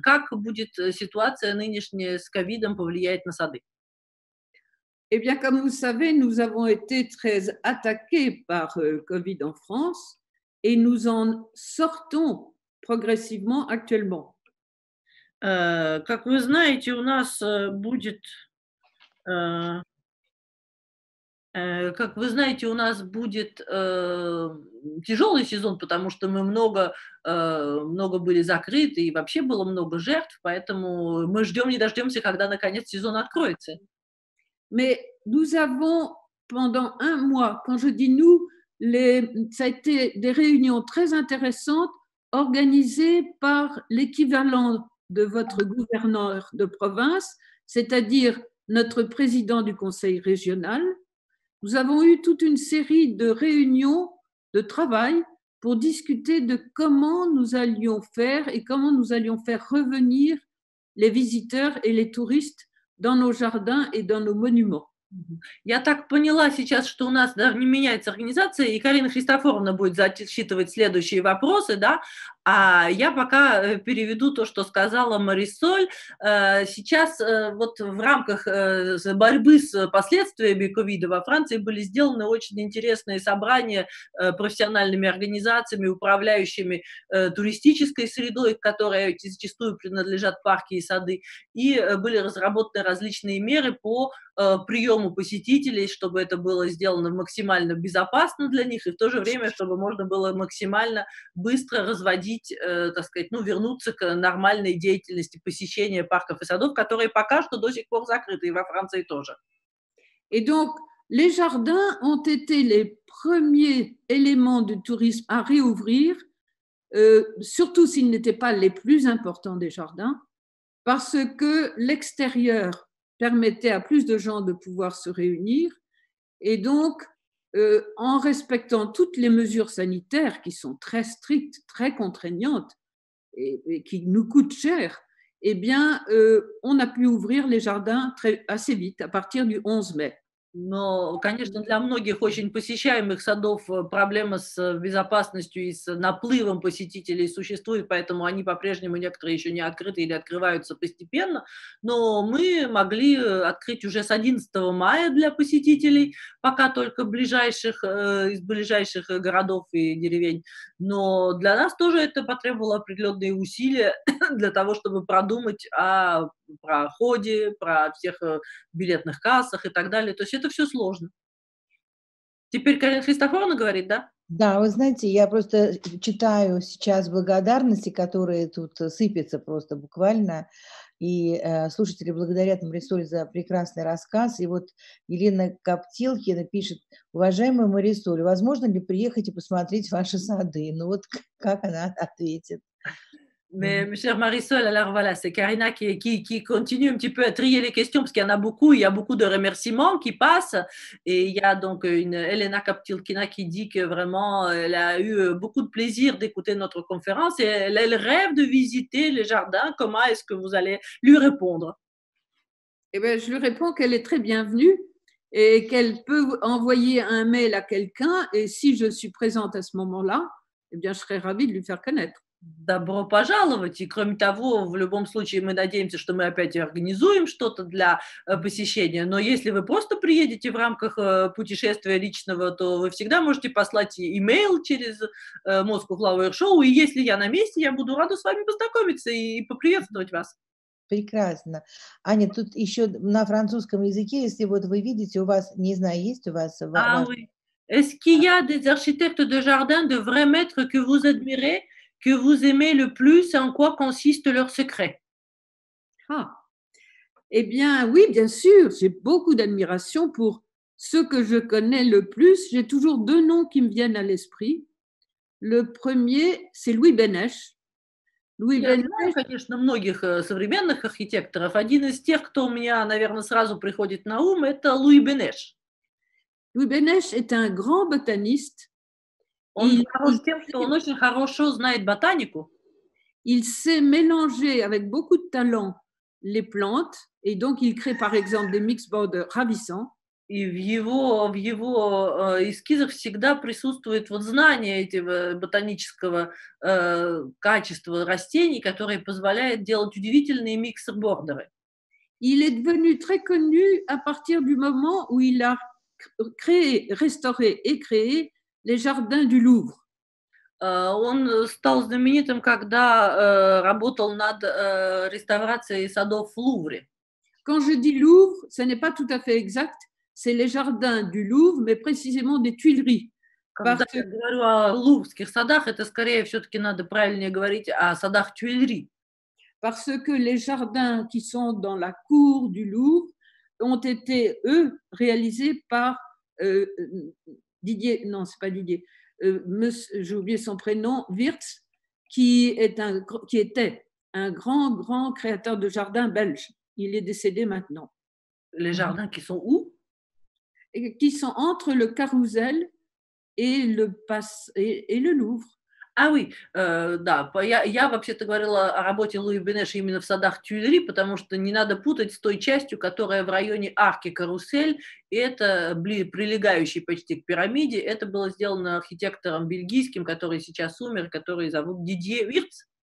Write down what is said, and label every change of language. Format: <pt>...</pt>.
<fr>Comment va la situation avec Covid influencer les jardins? Eh bien, comme vous savez, nous avons été très attaqués par Covid en France et nous en sortons progressivement actuellement.</fr> <ru>Как вы знаете, у нас будет как вы знаете, у нас будет тяжелый сезон, потому что мы много были закрыты и вообще было много жертв, поэтому мы ждем, не дождемся, когда наконец сезон откроется.</ru> <fr>Mais nous avons, pendant un mois, quand je dis nous, ça a été des réunions très intéressantes organisées par l'équivalent de votre gouverneur de province, c'est-à-dire notre président du conseil régional. Nous avons eu toute une série de réunions de travail pour discuter de comment nous allions faire et comment nous allions faire revenir les visiteurs et les touristes dans nos jardins et dans nos monuments.</fr> <ru>Я так поняла сейчас, что у нас, да, не меняется организация, и Карина Христофоровна будет зачитывать следующие вопросы, да? А я пока переведу то, что сказала Марисоль. Сейчас вот в рамках борьбы с последствиями ковида во Франции были сделаны очень интересные собрания профессиональными организациями, управляющими туристической средой, которые зачастую принадлежат парки и сады, и были разработаны различные меры по приему посетителей, чтобы это было сделано максимально безопасно для них, и в то же время, чтобы можно было максимально быстро разводить, так сказать, ну, вернуться к нормальной деятельности посещения парков и садов, которые пока что до сих пор закрыты, и во Франции тоже. И</ru> <fr>donc, les jardins ont été les premiers éléments du tourisme à réouvrir, surtout s'ils n'étaient pas les plus importants des jardins, parce que l'extérieur permettait à plus de gens de pouvoir se réunir. Et donc, en respectant toutes les mesures sanitaires qui sont très strictes, très contraignantes et qui nous coûtent cher, eh bien, on a pu ouvrir les jardins assez vite, à partir du 11 mai.</fr> <ru>Но, конечно, для многих очень посещаемых садов проблема с безопасностью и с наплывом посетителей существует, поэтому они по-прежнему некоторые еще не открыты или открываются постепенно. Но мы могли открыть уже с 11 мая для посетителей, пока только из ближайших городов и деревень. Но для нас тоже это потребовало определенные усилия для того, чтобы продумать о проходе, про всех билетных кассах и так далее. То есть это все сложно. Теперь Карина Христофоровна говорит, да? Да, вы знаете, я просто читаю сейчас благодарности, которые тут сыпятся просто буквально. И слушатели благодарят Марисоль за прекрасный рассказ. И вот Елена Коптилкина пишет: «Уважаемая Марисоль, возможно ли приехать и посмотреть ваши сады?» Ну вот как она ответит.</ru> <fr>Mais, chère Marisol, alors voilà, c'est Karina qui continue un petit peu à trier les questions, parce qu'il y en a beaucoup, il y a beaucoup de remerciements qui passent, et il y a donc une Elena Kaptilkina qui dit que vraiment, elle a eu beaucoup de plaisir d'écouter notre conférence, et elle rêve de visiter les jardins. Comment est-ce que vous allez lui répondre? Eh bien, je lui réponds qu'elle est très bienvenue, et qu'elle peut envoyer un mail à quelqu'un, et si je suis présente à ce moment-là, eh bien, je serais ravie de lui faire connaître.</fr> <ru>Добро пожаловать. И кроме того, в любом случае мы надеемся, что мы опять организуем что-то для посещения. Но если вы просто приедете в рамках путешествия личного, то вы всегда можете послать имейл через Moscow Flower Show. И если я на месте, я буду рада с вами познакомиться и поприветствовать вас. Прекрасно. Аня, тут еще на французском языке, если вот вы видите, у вас, не знаю, есть у вас...</ru> <fr>Est-ce qu'il y a des architectes de jardin, de vrais maîtres que vous admirez? Que vous aimez le plus, en quoi consiste leur secret? Ah, eh bien, oui, bien sûr, j'ai beaucoup d'admiration pour ceux que je connais le plus. J'ai toujours deux noms qui me viennent à l'esprit. Le premier, c'est Louis Benesch.</fr> <ru>Louis Benesch. Я знаю, конечно, многих современных архитекторов. Один из тех, кто у меня, наверное, сразу приходит на ум, это Louis Benesch.</ru> <fr>Louis Benesch est un grand botaniste.</fr> <ru>Он очень хорошо знает ботанику.</ru> <fr>Il sait mélanger avec beaucoup de talent les plantes, et donc il crée par exemple des mixed borders ravissants.</fr> <ru>И в его эскизах всегда присутствует вот знание этого ботанического качества растений, которое позволяет делать удивительные mixed borders.</ru> <fr>Il est devenu très connu à partir du moment où il a créé, restauré et créé les jardins du Louvre.</fr> <ru>Он стал знаменитым, когда работал над реставрацией садов в Лувре.</ru> <fr>Quand je dis Louvre, ce n'est pas tout à fait exact, c'est les jardins du Louvre, mais précisément des Tuileries.</fr> <ru>Когда я говорю о Луврских садах, это скорее все-таки надо правильнее говорить о садах Tuileries.</ru> <fr>Parce que les jardins qui sont dans la cour du Louvre ont été eux réalisés par Didier, non, c'est pas Didier, j'ai oublié son prénom, Wirtz, qui était un grand, grand créateur de jardins belge. Il est décédé maintenant. Les jardins qui sont où? Et qui sont entre le Carrousel et le Louvre.</fr> <ru>А,</ru> <fr>oui,</fr> <ru>да, я вообще-то говорила о работе Луи Бенеша именно в садах Тюильри, потому что не надо путать с той частью, которая в районе арки Карусель, это прилегающий почти к пирамиде, это было сделано архитектором бельгийским, который сейчас умер, который зовут Дидье Вирц.</ru>